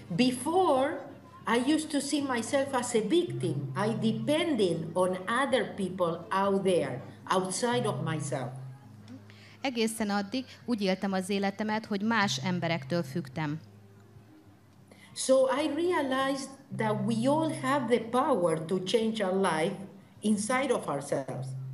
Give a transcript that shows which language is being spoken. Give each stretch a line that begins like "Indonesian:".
English: Before I used to see myself as a victim. I depended on other people out there, outside of myself.
Hungarian: Egészen addig úgy éltem az életemet, hogy más emberektől függtem.
English: So I realized that we all have the power to change our life inside of ourselves.